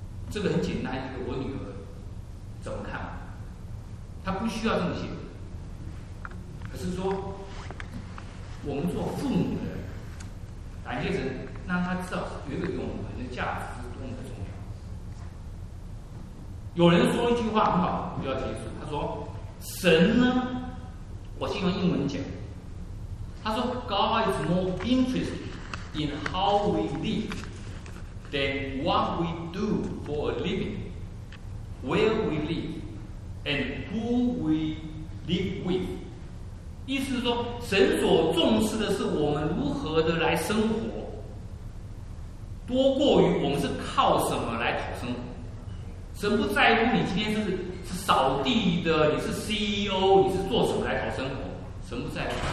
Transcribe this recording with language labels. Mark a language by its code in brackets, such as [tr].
[zh] 这个很简单，一个我女儿怎么看，她不需要这么写，可是说我们做父母的人，感谢神让他知道有一个永恒的价值是多么的重要。有人说一句话很好，我要结束。他说：“神呢，我是用英文讲。他说 [en] ，God is more interested in how we live than what we do for a living, where we live, and who we live with。” [zh] 意思是说，神所重视的是我们如何的来生活，多过于我们是靠什么来讨生活。神不在乎你今天是扫地的，你是 CEO， 你是做什么来讨生活，神不在乎。